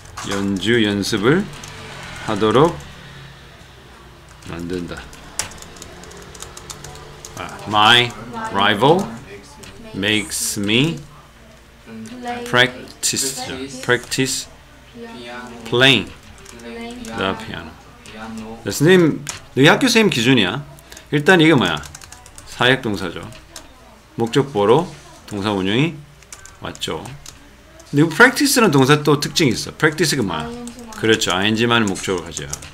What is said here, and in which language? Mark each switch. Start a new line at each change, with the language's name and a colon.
Korean: 연주 연습을 하도록 만든다.
English: My rival makes me practice playing the piano.
Korean: 선생님, 너희 학교 선생님 기준이야. 일단 이게 뭐야? 사역 동사죠. 목적 보로 동사 운용이 맞죠. 근데 이거 practice라는 동사 또 특징이 있어. practice가 뭐야? ING만. 그렇죠. ing만 목적으로 가져요.